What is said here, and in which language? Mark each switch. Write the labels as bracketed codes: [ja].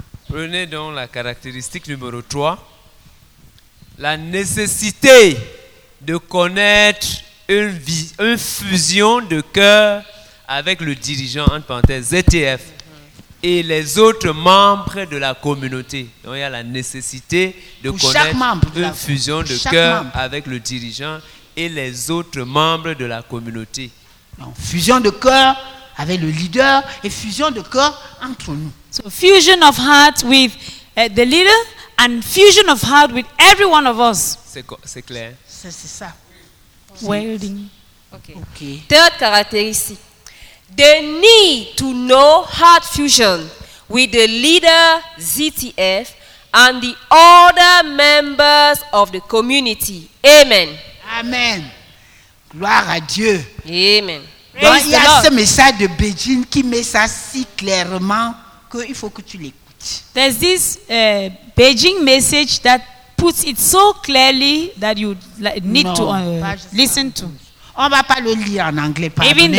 [fr] Prenez donc la caractéristique numéro 3, la nécessité de connaître une fusion de cœur avec le dirigeant, entre parenthèses, ZTF, et les autres membres de la communauté. Donc il y a la nécessité de connaître une fusion de cœur avec le dirigeant et les autres membres de la communauté. Donc, fusion de cœur avec le leader et fusion de cœur entre nous. [en] So fusion of heart with the leader and fusion of heart with every one of us. [fr] C'est clair. C'est ça. [en] Welding. Okay. Third caractéristic. The need to know heart fusion with the leader ZTF and the other members of the community. Amen. [fr] Amen. Gloire à Dieu. Amen. Donc, il y a ce message de Beijing qui met ça si clairement qu'il faut que tu l'écoutes. [en] There's this Beijing message that puts it so clearly that you need to listen to. [fr] On va pas le lire en anglais, pardonnez-moi.